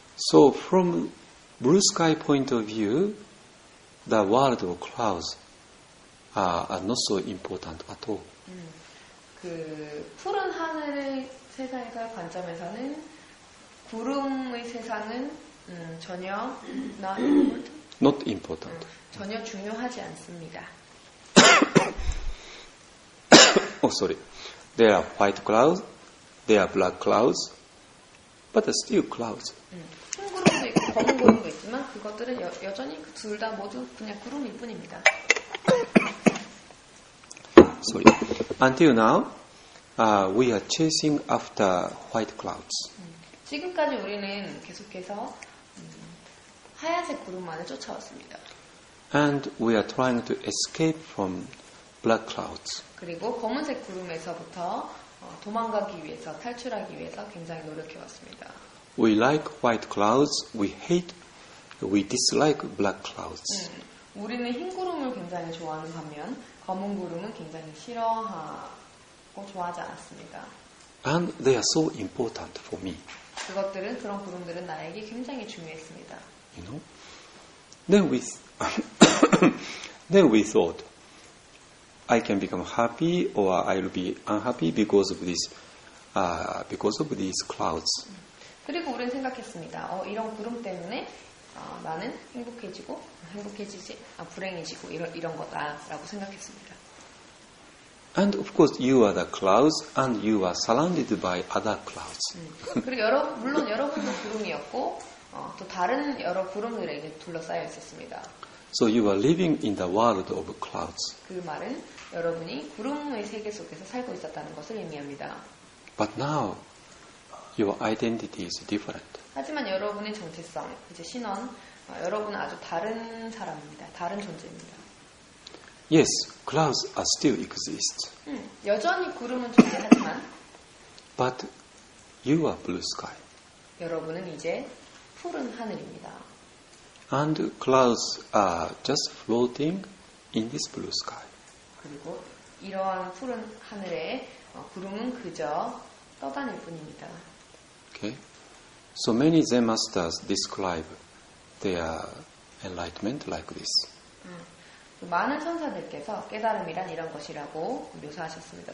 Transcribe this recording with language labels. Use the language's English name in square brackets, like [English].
[English] So from blue sky point of view, the world of clouds are not so important at all. [Korean] 그 푸른 하늘의 세상에서 관점에서는 구름의 세상은 전혀 [English] not important. [Korean] 전혀 중요하지 않습니다. [English] Oh, sorry. There are white clouds, there are black clouds, but they're still clouds. [Korean] 흰 구름도 있고 검은 구름도 있지만 그것들은 여전히 둘 다 모두 그냥 구름일 뿐입니다. [English] Sorry. Until now, we are chasing after white clouds. [Korean] 지금까지 우리는 계속해서 하얀색 구름만을 쫓아왔습니다. [English] And we are trying to escape from black clouds. [Korean] 그리고 검은색 구름에서부터 도망가기 위해서 탈출하기 위해서 굉장히 노력해 왔습니다. [English] We like white clouds. We hate. We dislike black clouds. [Korean] 우리는 흰 구름을 굉장히 좋아하는 반면 검은 구름은 굉장히 싫어하고 좋아하지 않았습니다. [English] And they are so important for me. [Korean] 그것들은 그런 구름들은 나에게 굉장히 중요했습니다. [English] You know? Then we thought. I can become happy or I'll be unhappy because of these clouds. [Korean] 그리고 우리는 생각했습니다. 이런 구름 때문에 나는 행복해지지 불행해지고 이런 거다라고 생각했습니다. [English] And of course, you are the clouds, and you are surrounded by other clouds. [Korean] 그리고 여러분, 물론 여러분도 구름이었고 또 다른 여러 구름들에 이제 둘러싸여 있었습니다. [English] So you are living in the world of clouds. [Korean] 그 말은 여러분이 구름의 세계 속에서 살고 있었다는 것을 의미합니다. [English] But now your identity is different. [Korean] 하지만 여러분의 정체성, 이제 신원, 여러분은 아주 다른 사람입니다. 다른 존재입니다. [English] Yes, clouds are still exist. [Korean] 여전히 구름은 존재하지만 [English] But you are blue sky. [Korean] 여러분은 이제 푸른 하늘입니다. [English] And clouds are just floating in this blue sky. [Korean] 그리고 이러한 푸른 하늘에 구름은 그저 떠다닐 뿐입니다. [English] Okay. So many Zen masters describe their enlightenment like this. [Korean] 많은 선사들께서 깨달음이란 이런 것이라고 묘사하셨습니다.